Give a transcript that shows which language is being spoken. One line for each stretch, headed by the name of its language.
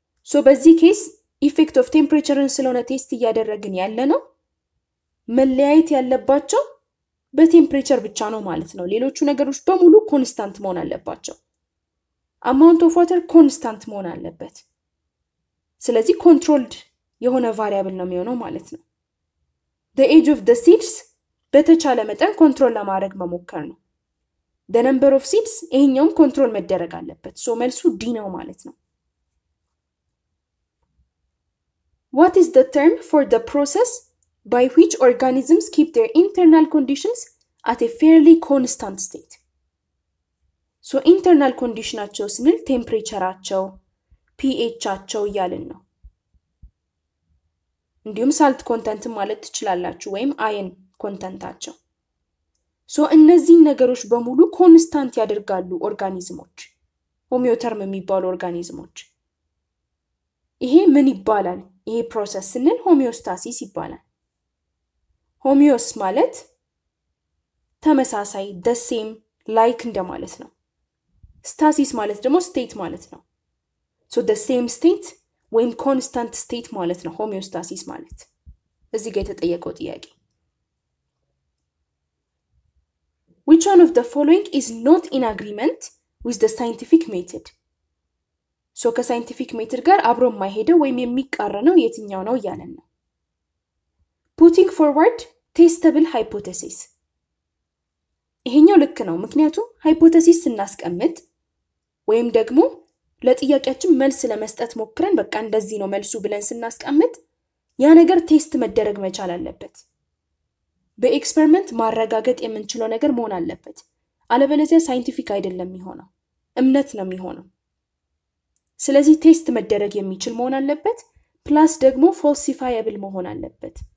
Amharic: ሶ በዚህ ኬስ ኢፌክት ኦፍ ቴምፕሬቸርን ስለሆነ ቴስት እያደረግን ያለ ነው፣ መለያየት ያለባቸው በቴምፕሬቸር ብቻ ነው ማለት ነው። ሌሎቹ ነገሮች በሙሉ ኮንስታንት መሆን አለባቸው። አማውንት ኦፍ ዋተር ኮንስታንት መሆን አለበት። ስለዚህ ኮንትሮልድ የሆነ ቫሪያብል ነው የሚሆነው ማለት ነው። ዘ ኤጅ ኦፍ ዘ ሲድስ በተቻለ መጠን ኮንትሮል ለማድረግ መሞከር ነው።
English: The number of seeds
Amharic: ይሄኛውን ኮንትሮል መደረግ አለበት. So መልሱ D ነው ማለት ነው.
English: What is the term for the process by which organisms keep their internal conditions at a fairly constant state?
Amharic: So internal condition አቸው ስንል temperature አቸው pH አቸው ያልን ነው. እንዲሁም salt content ማለት ትችላላችሁ ወይም iron content አቸው. So እነዚህ ነገሮች በሙሉ constant ያደርጋሉ organismsዎች. Homeotherm የሚባለው organismsዎች. ይሄ ምን ይባላል? ይሄ process ስንል homeostasis ይባላል. Homeos ማለት ተመሳሳይ
English: the same like
Amharic: እንደማለት ነው. Stasis ማለት ደግሞ state ማለት ነው.
English: So the same state
Amharic: ወይም constant state ማለት ነው homeostasis ማለት. እዚህ ጋር የተጠየቀው ጥያቄ.
English: Which one of the following is not in agreement with the scientific method?
Amharic: So ከscientific method ጋር አብሮ የማይሄደው ወይም የሚቃረነው የትኛው ነው ያለን ነው.
English: Putting forward testable hypothesis.
Amharic: ይሄኛው ልክ ነው ምክንያቱም hypothesis እናስቀምጥ ወይም ደግሞ ለጥያቄያችን መልስ ለመስጠት ሞክረን በቃ እንደዚህ ነው መልሱ ብለን ስናስቀምጥ ያ ነገር ቴስት መደረግ መቻል አለበት በኤክስፐሪመንት ማረጋገጥ የምንችለው ነገር መሆን አለበት አለበለዚያ ሳይንቲፊክ አይደለም የሚሆነው እምነት ነው የሚሆነው ስለዚህ ቴስት መደረግ የሚችል መሆን አለበት ፕላስ ደግሞ ፎልሲፋየብል መሆን አለበት